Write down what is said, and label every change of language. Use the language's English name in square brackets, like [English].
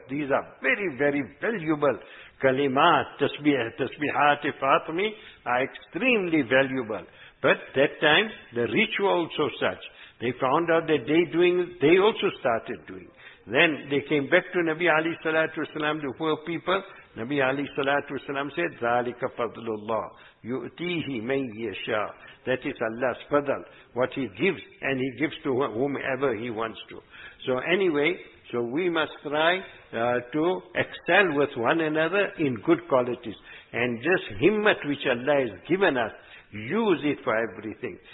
[English] These are very, very valuable kalimat, tasbihat-i Fatimi, are extremely valuable. But that time, the rich were also such. They found out that they also started doing. Then they came back to Nabi Ali Salatu Wasalam, the poor people. [Arabic] Nabi Ali Salatu Wasalam said, ذَلِكَ فَضْلُ اللَّهِ يُؤْتِيهِ مَنْ يَشَاءُ. [English] That is Allah's fadl, what He gives, and He gives to whomever He wants to. So we must try to excel with one another in good qualities. And this himmat which Allah has given us, use it for everything.